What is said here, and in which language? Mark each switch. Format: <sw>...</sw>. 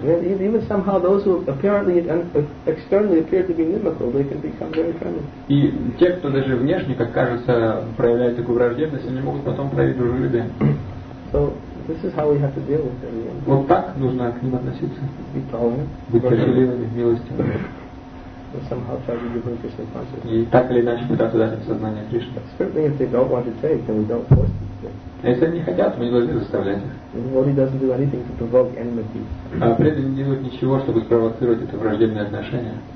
<en>Even somehow those who apparently externally appear to be inimical, they can become very friendly.</en> <ru>И те, кто даже внешне, как кажется, проявляет такую враждебность, они могут потом проявить дружелюбие.</ru> <en>So this is how we have to deal with them.</en> <ru>Вот так нужно к ним относиться.</ru> <en>Be tolerant.</en> <ru>Быть терпеливыми, милостивыми.</ru> <en>Somehow try to give them Krishna consciousness.</en> <ru>И так или иначе пытаться дать им сознание Кришны.</ru> <en>Certainly, if they don't want to take, then we don't force them.</en> <ru>А если они не хотят, мы не должны заставлять их. А преданный не делает ничего, чтобы спровоцировать это враждебное отношение.</ru>